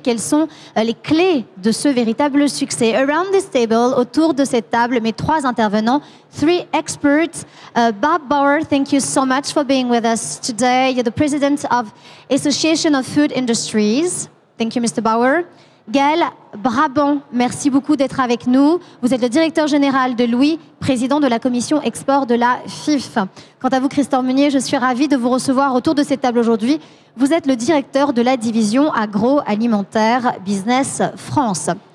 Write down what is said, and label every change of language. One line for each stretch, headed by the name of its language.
French: Quelles sont les clés de ce véritable succès?
English: Around this table,
French: autour de cette table, mes trois intervenants,
English: three experts. Bob Bauer, thank you so much for being with us today. You're the president of Association of Food Industries. Thank you, Mr. Bauer.
French: Gaël Brabant, merci beaucoup d'être avec nous. Vous êtes le directeur général de Louis, président de la commission export de la FIF. Quant à vous, Christophe Meunier, je suis ravie de vous recevoir autour de cette table aujourd'hui. Vous êtes le directeur de la division agroalimentaire Business France.